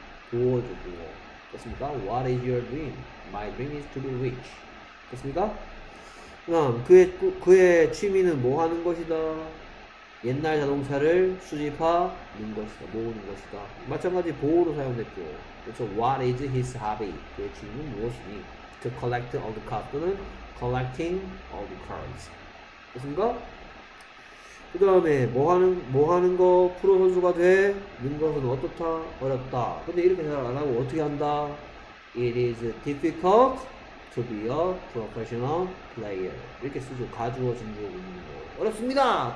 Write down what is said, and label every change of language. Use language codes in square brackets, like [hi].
[ko] 도어죠, 도어. 됐습니까? [en] What is your dream? My dream is to be rich. [ko] 됐습니까? 그의 취미는 뭐 하는 것이다? 옛날 자동차를 수집하는 것이다, 모으는 것이다. 마찬가지 보어로 사용됐죠. 그래서 [en] What is his hobby? [ko] 그의 취미는 무엇이니? [en] To collect all the cards 또는 collecting all the cards. [ko] 됐습니까? 그 다음에 뭐 하는 거 프로 선수가 되는 것은 어떻다? 어렵다. 근데 이렇게 잘안 하고 어떻게 한다? [en] It is difficult to be a professional player. [ko] 이렇게 쓰죠. 가주어 진주어 묻는 거. 어렵습니다.